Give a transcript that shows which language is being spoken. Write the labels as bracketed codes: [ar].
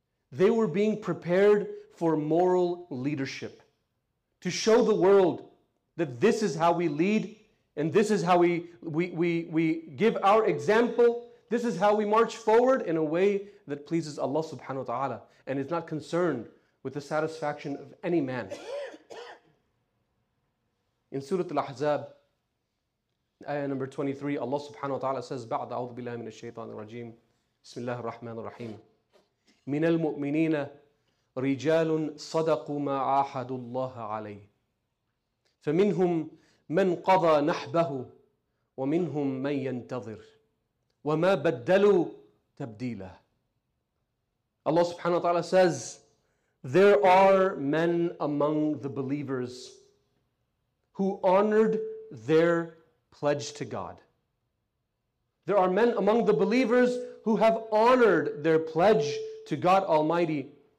[en] They were being prepared for moral leadership, to show the world that this is how we lead, and this is how we give our example, this is how we march forward in a way that pleases Allah subhanahu wa ta'ala and is not concerned with the satisfaction of any man. In Surah Al-Ahzab, ayah number 23, Allah subhanahu wa ta'ala says, [ar] بعد أعوذ بالله من الشيطان الرجيم بسم الله الرحمن الرحيم من المؤمنين رجال صدقوا ما عاهدوا الله عليه فمنهم من قضى نحبه ومنهم من ينتظر وما بدلوا تبديله. [en] Allah subhanahu wa ta'ala says, there are men among the believers who honored their pledge to God. There are men among the believers who have honored their pledge to God Almighty.